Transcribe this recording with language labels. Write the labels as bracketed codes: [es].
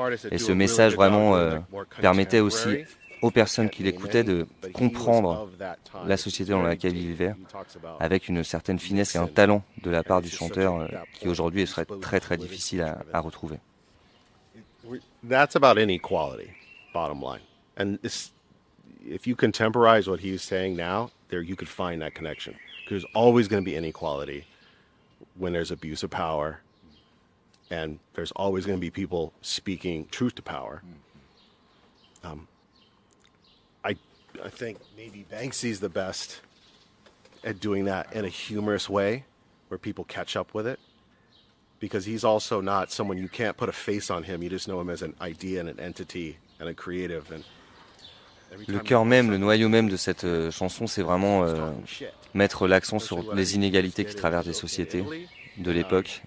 [fr] Et ce message vraiment permettait aussi aux personnes qui l'écoutaient de comprendre la société dans laquelle ils vivaient, avec une certaine finesse et un talent de la part du chanteur qui aujourd'hui serait très très difficile à retrouver. [en] That's about inequality. Bottom line, and this, if you contemporize what he's saying now, there you could find that connection. Because there's always going to be inequality when there's abuse of power, and there's always going to be people speaking truth to power. I think maybe Banksy's the best at doing that in a humorous way, where people catch up with it, because he's also not someone you can't put a face on him. You just know him as an idea and an entity. [fr] Le cœur même, le noyau même de cette chanson, c'est vraiment mettre l'accent sur les inégalités qui traversent les sociétés de l'époque.